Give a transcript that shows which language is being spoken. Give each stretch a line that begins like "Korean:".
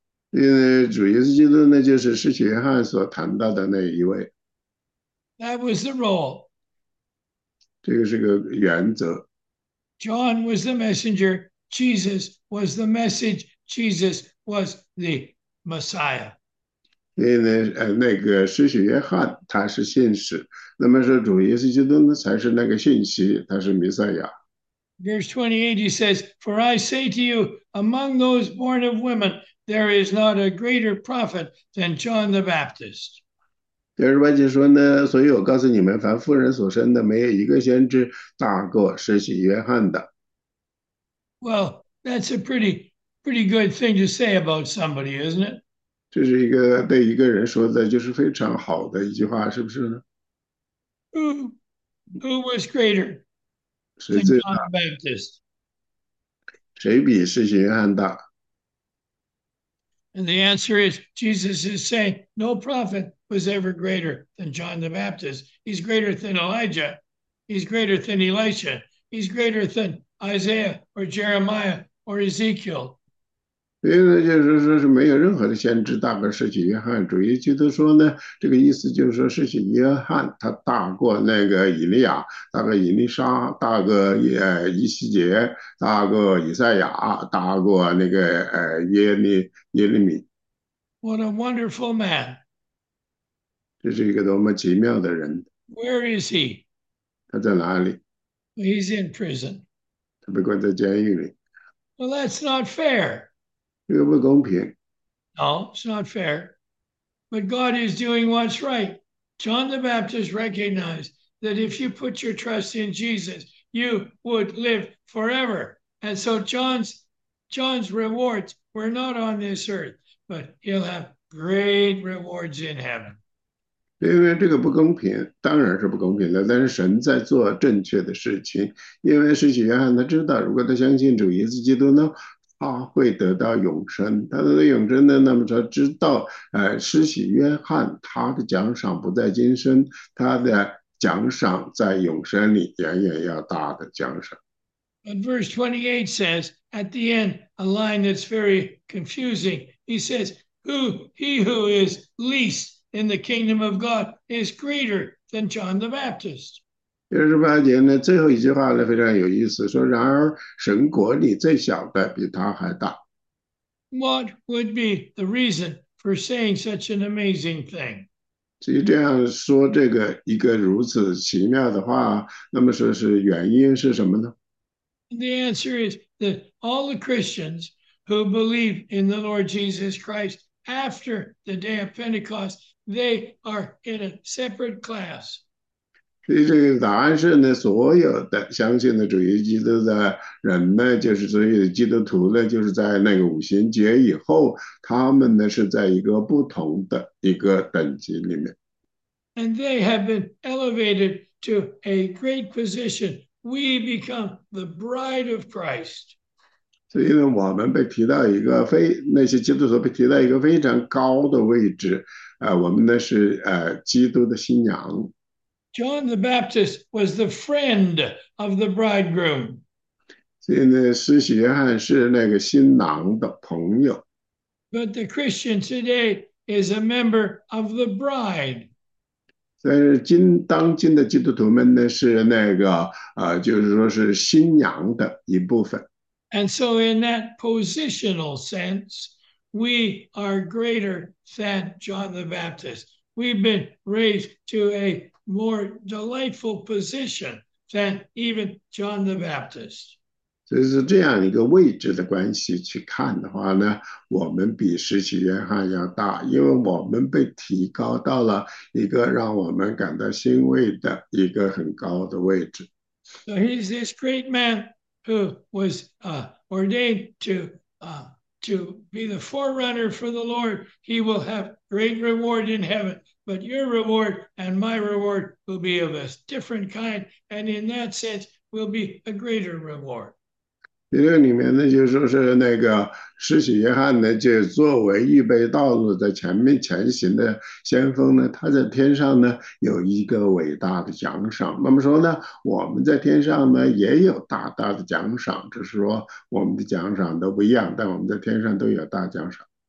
Chinese: 因为主耶稣基督呢，就是使徒约翰所谈到的那一位，
English: That was the role.
Chinese: 这个是个原则。
English: John was the messenger. Jesus was the message. Jesus was the Messiah.
Chinese: 因为那个施洗约翰他是信使，那么说主耶稣基督呢才是那个信息，他是弥赛亚。
English: Verse 28, he says, For I say to you, among those born of women, there is not a greater prophet than John the Baptist.
Chinese: 28节说呢，所以我告诉你们，凡妇人所生的，没有一个先知大过施洗约翰的。
English: Well, that's a pretty good thing to say about somebody, isn't it?
Chinese: 这是一个对一个人说的，就是非常好的一句话，是不是呢？
English: Who was greater
Chinese: 谁
English: than
Chinese: 最
English: John
Chinese: 大？
English: the Baptist?
Chinese: 谁比施洗约翰大？
English: And the answer is, Jesus is saying, no prophet was ever greater than John the Baptist. He's greater than Elijah. He's greater than Elisha. He's greater than Isaiah or Jeremiah or Ezekiel.
Chinese: 所以呢，就是说是没有任何的先知大过施洗约翰。主耶稣基督说呢，这个意思就是说，施洗约翰他大过那个以利亚，大过以利沙，大过以西结，大过以赛亚，大过那个耶利米。
English: What a wonderful man.
Chinese: 这是一个多么奇妙的人！
English: Where is he?
Chinese: 他在哪里？
English: He's in prison.
Chinese: 他被关在监狱里。
English: Well, that's not fair.
Chinese: 这个不公平。
English: No, it's not fair. But God is doing what's right. John the Baptist recognized that if you put your trust in Jesus, you would live forever. And so John's rewards were not on this earth, but he'll have great rewards in heaven.
Chinese: 因为这个不公平，当然是不公平的。但是神在做正确的事情，因为使徒约翰他知道，如果他相信主耶稣基督呢，他会得到永生。他得到永生呢，那么他知道，使徒约翰他的奖赏不在今生，他的奖赏在永生里远远要大的奖赏。
English: But verse 28 says at the end a line that's very confusing. He says, he who is least in the kingdom of God is greater than John the Baptist.
Chinese: 28节呢，最后一句话呢非常有意思，说然而神国里最小的比他还大。
English: What would be the reason for saying such an amazing thing?
Chinese: 至于这样说这个一个如此奇妙的话，那么说是原因是什么呢？
English: The answer is that all the Christians who believe in the Lord Jesus Christ after the day of Pentecost, they are in a separate class.
Chinese: 所以这个答案是呢，所有的相信的主耶稣基督的人呢，就是所有的基督徒呢，就是在那个五旬节以后，他们呢是在一个不同的一个等级里面。
English: And they have been elevated to a great position. We become the bride of Christ.
Chinese: 所以呢，我们被提到一个非，那些基督徒被提到一个非常高的位置，我们呢是基督的新娘。
English: John the Baptist was the friend of the bridegroom.
Chinese: 所以呢，施洗约翰是那个新郎的朋友。
English: But the Christian today is a member of the bride.
Chinese: 但是当今的基督徒们呢，是那个就是说是新娘的一部分。
English: And so, in that positional sense, we are greater than John the Baptist. We've been raised to a more delightful position than even John the Baptist.
Chinese: So, 就是这样一个位置的关系去看的话呢，我们比使徒约翰要大，因为我们被提高到了一个让我们感到欣慰的一个很高的位置。
English: So, he's this great man. Who was ordained to be the forerunner for the Lord? He will have great reward in heaven, but your reward and my reward will be of a different kind, and in that sense, will be a greater reward.
Chinese: 这个里面呢，就是说是那个施洗约翰呢，就作为预备道路的前面前行的先锋呢，他在天上呢有一个伟大的奖赏。那么说呢，我们在天上呢也有大大的奖赏，只是说我们的奖赏都不一样，但我们在天上都有大奖赏。